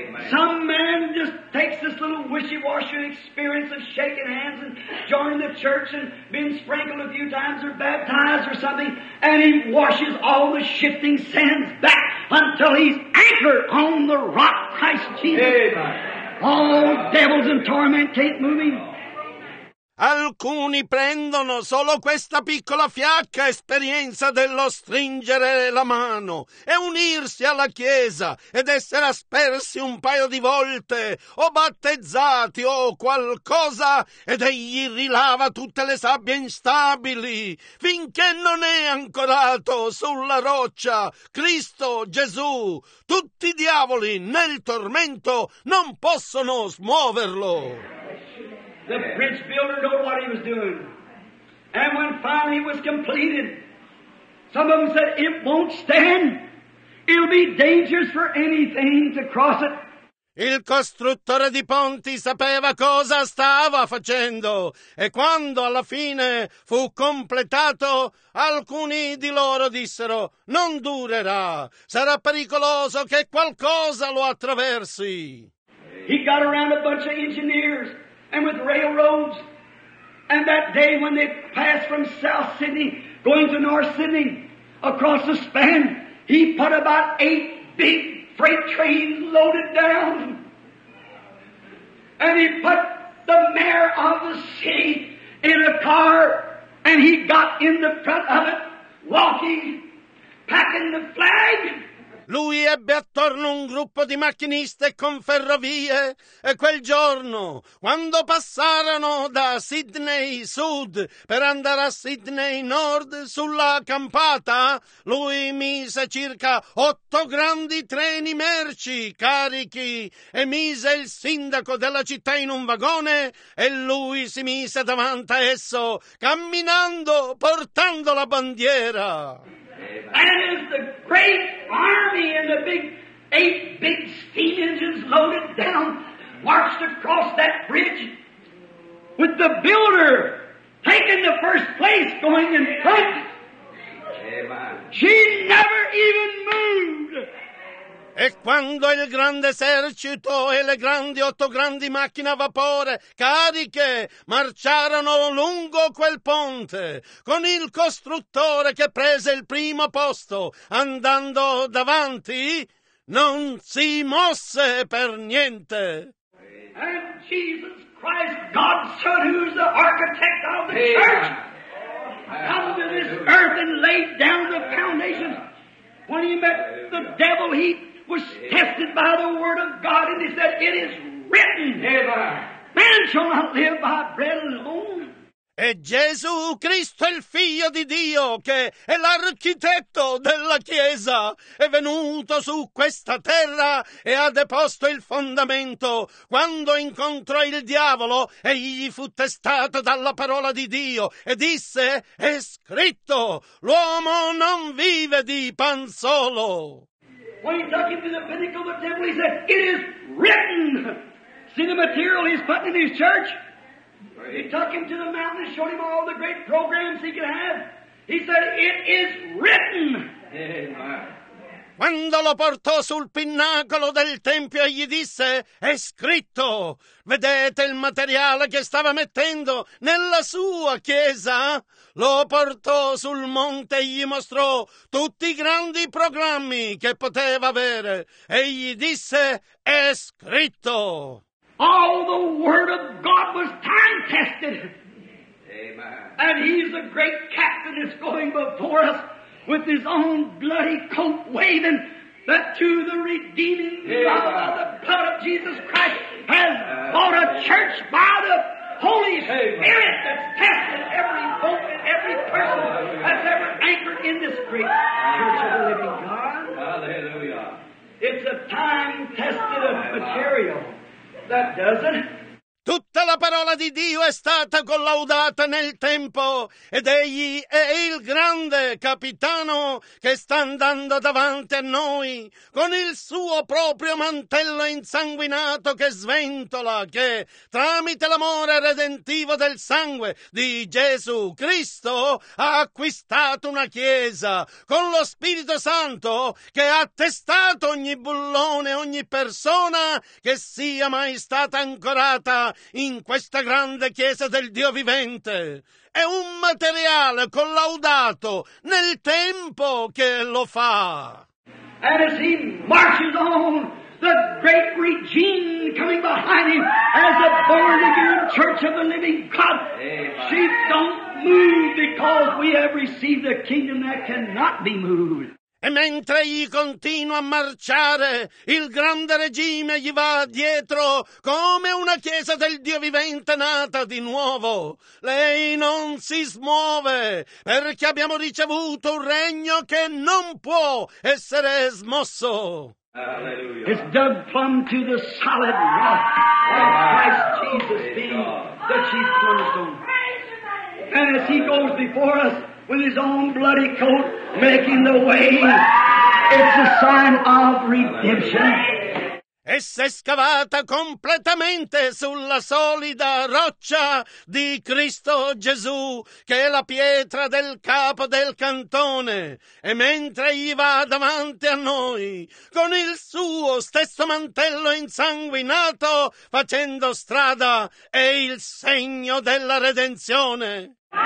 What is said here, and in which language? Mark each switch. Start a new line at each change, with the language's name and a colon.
English: Some man just takes this little wishy-washy experience of shaking hands and joining the church and being sprinkled a few times or baptized or something, and he washes all the shifting sands back until he's anchored on the rock, Christ Jesus. Amen. All devils and torment can't move him.
Italian: Alcuni prendono solo questa piccola fiacca esperienza dello stringere la mano e unirsi alla Chiesa ed essere aspersi un paio di volte o battezzati o qualcosa ed egli rilava tutte le sabbie instabili finché non è ancorato sulla roccia. Cristo Gesù, tutti i diavoli nel tormento non possono smuoverlo.
English: The bridge builder knew what he was doing. And when finally it was completed, some of them said, it won't stand. It'll be dangerous for anything to cross it.
Italian: Il costruttore di ponti sapeva cosa stava facendo e quando alla fine fu completato, alcuni di loro dissero, non durerà, sarà pericoloso che qualcosa lo attraversi.
English: He got around a bunch of engineers and with railroads, and that day when they passed from South Sydney going to North Sydney across the span, he put about 8 big freight trains loaded down, and he put the mayor of the city in a car, and he got in the front of it walking, packing the flag.
Italian: Lui ebbe attorno un gruppo di macchiniste con ferrovie e quel giorno, quando passarono da Sydney Sud per andare a Sydney Nord sulla campata, lui mise circa 8 grandi treni merci carichi e mise il sindaco della città in un vagone e lui si mise davanti a esso, camminando, portando la bandiera.
English: And as the great army and the big 8 big steam engines loaded down marched across that bridge with the builder taking the first place going in front, she never even moved.
Italian: E quando il grande esercito e le grandi 8 grandi macchine a vapore cariche marciarono lungo quel ponte, con il costruttore che prese il primo posto andando davanti, non si mosse per niente.
English: And Jesus Christ, God's Son, who's the architect of the church, come to this earth and laid down the foundation. When he met the devil, he was tested by the word of God, and he said, it is written, man shall not live by bread alone.
Italian: E Gesù Cristo, il Figlio di Dio, che è l'architetto della Chiesa, è venuto su questa terra e ha deposto il fondamento. Quando incontrò il diavolo, egli fu testato dalla parola di Dio e disse, è scritto, l'uomo non vive di pan solo.
English: When he took him to the pinnacle of the temple, he said, it is written. See the material he's putting in his church? He took him to the mountain and showed him all the great programs he could have. He said, it is written.
Italian: Quando lo portò sul pinnacolo del tempio e gli disse, è scritto, vedete il materiale che stava mettendo nella sua chiesa? Lo portò sul monte e gli mostrò tutti i grandi programmi che poteva avere. E gli disse, è scritto.
English: All the word of God was time tested. Amen. And he's the great captain that's going before us with his own bloody coat waving, that to the redeeming blood of the blood of Jesus Christ has bought a church by the Holy Spirit that's tested every boat and every person that's ever anchored in this great church of the living God. Hallelujah. It's a time-tested material that doesn't.
Italian: Tutta la parola di Dio è stata collaudata nel tempo, ed egli è il grande capitano che sta andando davanti a noi con il suo proprio mantello insanguinato che sventola, che tramite l'amore redentivo del sangue di Gesù Cristo ha acquistato una chiesa con lo Spirito Santo che ha attestato ogni bullone, ogni persona che sia mai stata ancorata in questa grande chiesa del Dio vivente. È un materiale collaudato nel tempo che lo fa.
English: And as he marches on, the great regime coming behind him as a born again church of the living God. She don't move because we have received a kingdom that cannot be moved.
Italian: E mentre egli continua a marciare, il grande regime gli va dietro come una chiesa del Dio vivente nata di nuovo. Lei non si smuove perché abbiamo ricevuto un regno che non può essere smosso. Alleluia.
English: It's dug plumb to the solid rock of Christ Jesus being the chief cornerstone. And as he goes before us, with his own bloody coat making the way, it's a sign of redemption.
Italian: Essa è scavata completamente sulla solida roccia di Cristo Gesù, che è la pietra del capo del cantone. E mentre gli va davanti a noi, con il suo stesso mantello insanguinato, facendo strada, è il segno della redenzione.